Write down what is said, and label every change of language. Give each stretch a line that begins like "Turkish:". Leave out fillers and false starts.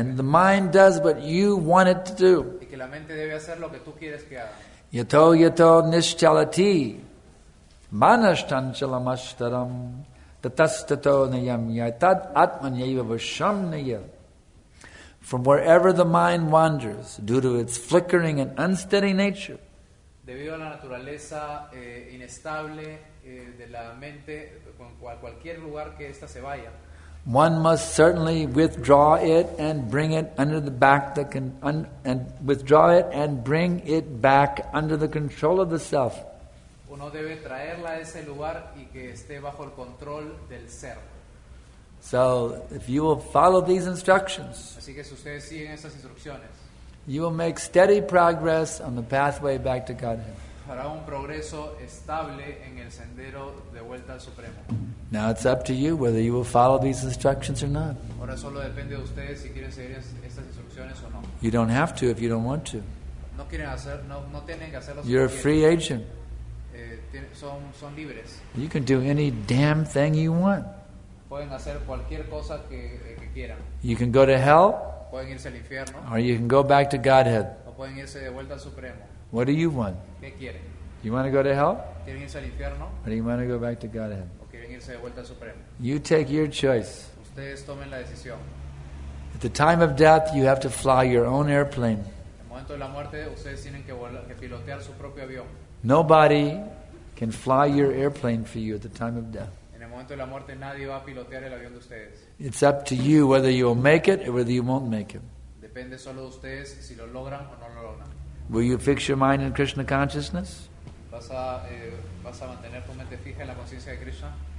English: And the mind does what you want it to do.
Spanish: Y que la mente debe hacer lo que tú quieres que haga.
Sanskrit: Yato yato nishchalati manashtanchalamashtaram tatastato nayam yatat atmanyayivasham nayam.
English: From wherever the mind wanders due to its flickering and unsteady nature.
Spanish: Debido a la naturaleza inestable de la mente, cualquier lugar que esta se vaya.
English: One must certainly withdraw it and bring it under the back that can and withdraw it and bring it back under the control of the self.
Spanish: Uno debe traerla a ese lugar y que esté bajo el control del ser.
English: So, if you will follow these instructions,
Spanish: así que si ustedes siguen estas instrucciones,
English: you will make steady progress on the pathway back to Godhead.
Spanish: Hará un progreso estable en el sendero de vuelta al Supremo.
English: Now it's up to you whether you will follow these instructions or not.
Spanish: Ahora solo depende de ustedes si quieren seguir estas instrucciones o no.
English: You don't have to if you don't want to.
Spanish: No quieren hacer, no tienen que hacerlo.
English: You're a free agent.
Spanish: Son libres.
English: You can do any damn thing you want.
Spanish: Pueden hacer cualquier cosa que quieran.
English: You can go to hell.
Spanish: Pueden irse al infierno.
English: Or you can go back to Godhead.
Spanish: O pueden irse de vuelta al Supremo.
English: What do you want?
Spanish: ¿Qué quieren?
English: Do you want to go to hell?
Spanish: ¿Quieren irse al infierno?
English: Or do you want to go back to Godhead?
Spanish: ¿O quieren irse de vuelta al Supremo?
English: You take your choice.
Spanish: Ustedes tomen la decisión.
English: At the time of death, you have to fly your own airplane.
Spanish: En el momento de la muerte, ustedes tienen que pilotear su propio avión.
English: Nobody can fly your airplane for you at the time of death.
Spanish: En el momento de la muerte, nadie va a pilotear el avión de ustedes.
English: It's up to you whether you will make it or whether you won't make it.
Spanish: Depende solo de ustedes si lo logran o no lo logran.
English: Will you fix your mind in Krishna consciousness?
Spanish: ¿Vas a mantener tu mente fija en la conciencia de Krishna?